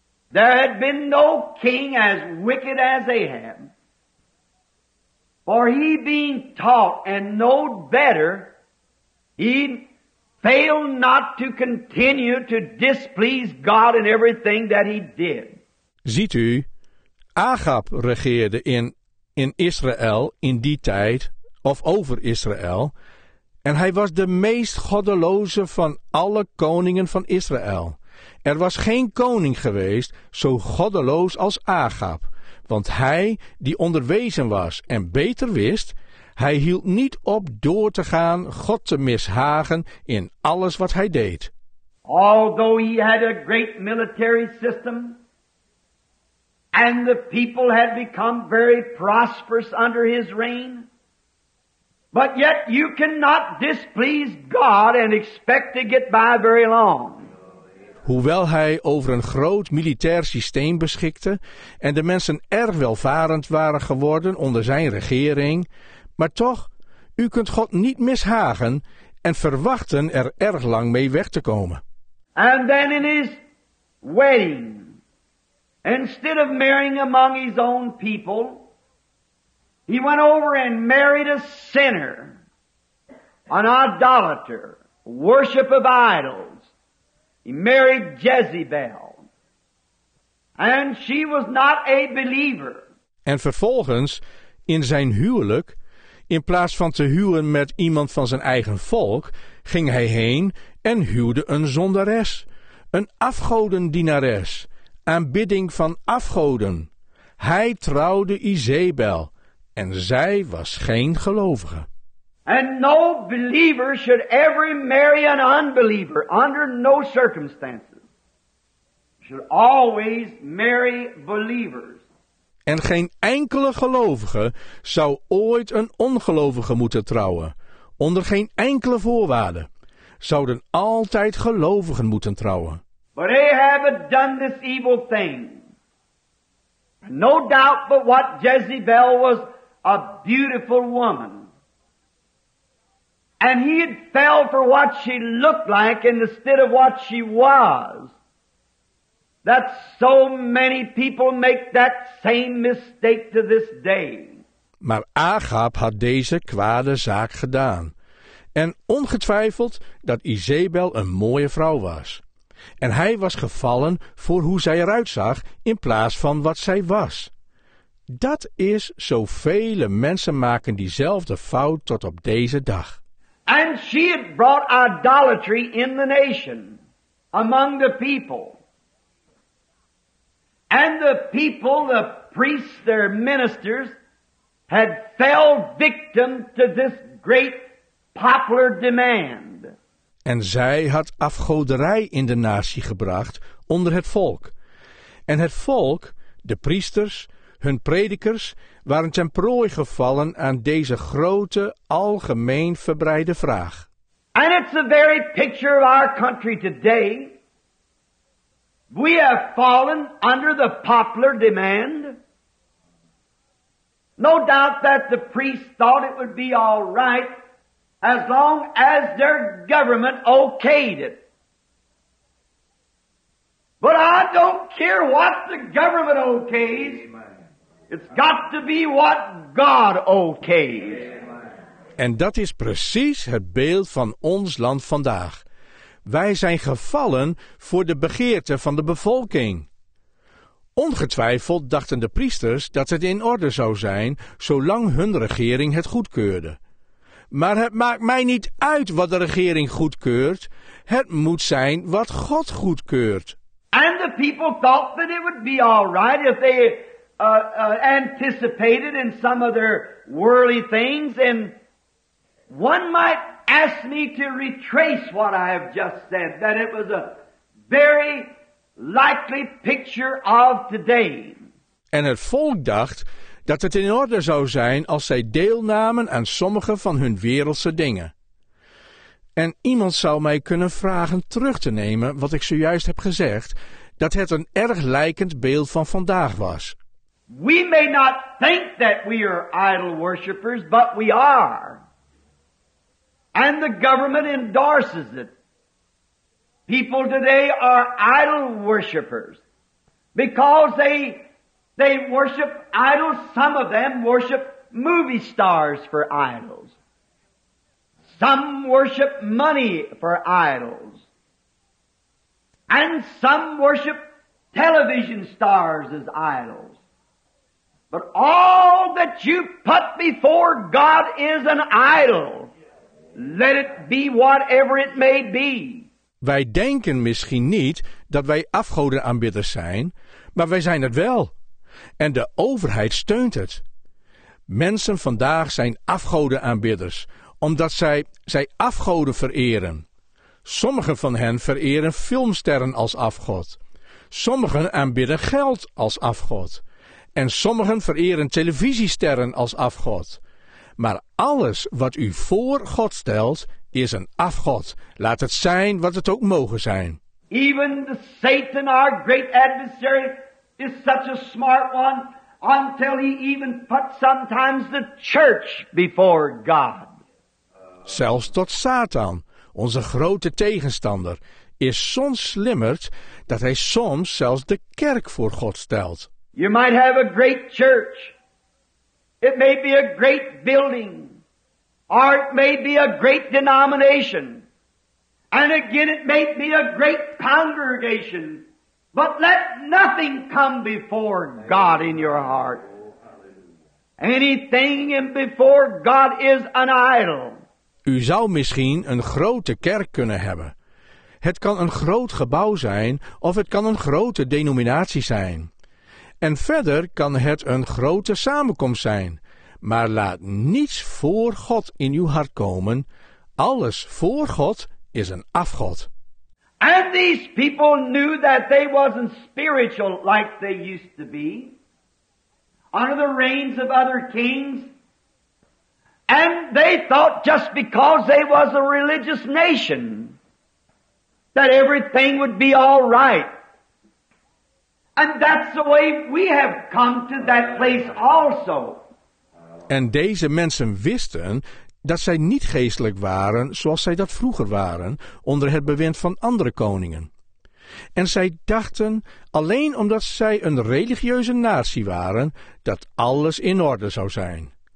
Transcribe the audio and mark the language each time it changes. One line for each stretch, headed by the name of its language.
English: There had been no king as wicked as Ahab. For he being taught and knowed better, he failed not to continue to displease God in everything that he did.
Dutch: Ziet u, Ahab regeerde in Israël in die tijd, of over Israël, en hij was de meest goddeloze van alle koningen van Israël. Er was geen koning geweest zo goddeloos als Ahab, want hij die onderwezen was en beter wist, hij hield niet op door te gaan God te mishagen in alles wat hij deed.
English: Although he had a great military system, and the people had become very prosperous under his reign, but yet you cannot displease God and expect to get by very long.
Dutch: Hoewel hij over een groot militair systeem beschikte en de mensen erg welvarend waren geworden onder zijn regering, maar toch, u kunt God niet mishagen en verwachten er erg lang mee weg te komen.
English: And then in his wedding, instead of marrying among his own people, he went over and married a sinner, an idolater, worship of idols. He married Jezebel, and she was not a believer.
Dutch: En vervolgens, in zijn huwelijk, in plaats van te huwen met iemand van zijn eigen volk, ging hij heen en huwde een zondares, een afgodendienares. Aanbidding van afgoden. Hij trouwde Izebel, en zij was geen gelovige.
English: And no believer should ever marry an unbeliever under no circumstances. Should always marry believers.
Dutch: En geen enkele gelovige zou ooit een ongelovige moeten trouwen. Onder geen enkele voorwaarde zouden altijd gelovigen moeten trouwen.
English: But Ahab had done this evil thing. No doubt but what Jezebel was a beautiful woman. And he had fell for what she looked like instead of what she was. That so many people make that same mistake to this day.
Dutch: Maar Ahab had deze kwade zaak gedaan. En ongetwijfeld dat Izebel een mooie vrouw was. En hij was gevallen voor hoe zij eruit zag in plaats van wat zij was. Dat is zo vele mensen maken diezelfde fout tot op deze dag.
English: And she had brought idolatry in the nation, among the people. And the people, the priests, their ministers, had fell victim to this great popular demand.
Dutch: En zij had afgoderij in de natie gebracht onder het volk. En het volk, de priesters, hun predikers, waren ten prooi gevallen aan deze grote, algemeen verbreide vraag.
English: And it's the very picture of our country today. We have fallen under the popular demand. No doubt that the priests thought it would be all right. As long as their government okayed it. But I don't care what the government okays. It's got to be what God okays.
Dutch: En dat is precies het beeld van ons land vandaag. wij zijn gevallen voor de begeerte van de bevolking. Ongetwijfeld dachten de priesters dat het in orde zou zijn, zolang hun regering het goedkeurde. Maar het maakt mij niet uit wat de regering goedkeurt. Het moet zijn wat God goedkeurt.
English: And the people thought that it would be all right if they anticipated in some of their worldly things. And one might ask me to retrace what I have just said, that it was a very likely picture of today.
Dutch: En het volk dacht dat het in orde zou zijn als zij deelnamen aan sommige van hun wereldse dingen. En iemand zou mij kunnen vragen terug te nemen wat ik zojuist heb gezegd, dat het een erg lijkend beeld van vandaag was.
English: We may not think that we are idol worshippers, but we are. And the government endorses it. People today are idol worshippers because they worship idols. Some of them worship movie stars for idols. Some worship money for idols. And some worship television stars as idols. But all that you put before God is an idol. Let it be whatever it may be.
Dutch: Wij denken misschien niet dat wij afgodenaanbidders zijn, maar wij zijn het wel. En de overheid steunt het. Mensen vandaag zijn afgodenaanbidders, omdat zij afgoden vereren. Sommigen van hen vereren filmsterren als afgod. Sommigen aanbidden geld als afgod. En sommigen vereren televisiesterren als afgod. Maar alles wat u voor God stelt, is een afgod. Laat het zijn wat het ook mogen zijn.
English: Even the Satan, our great adversary, is such a smart one, until he even put sometimes the church before God.
Dutch: Zelfs tot Satan, onze grote tegenstander, is soms slimmer dat hij soms zelfs de kerk voor God stelt.
English: You might have a great church. It may be a great building. Or it may be a great denomination. And again, it may be a great congregation. But let nothing come before God in your heart. Anything before God is an idol.
Dutch: U zou misschien een grote kerk kunnen hebben. Het kan een groot gebouw zijn, of het kan een grote denominatie zijn. En verder kan het een grote samenkomst zijn. Maar laat niets voor God in uw hart komen. Alles voor God is een afgod.
English: And these people knew that they wasn't spiritual like they used to be. Under the reigns of other kings. And they thought just because they was a religious nation that everything would be all right. And that's the way we have come to that place also.
Dutch: En deze mensen wisten dat zij niet geestelijk waren zoals zij dat vroeger waren, onder het bewind van andere koningen. En zij dachten, alleen omdat zij een religieuze natie waren, dat alles in orde zou zijn.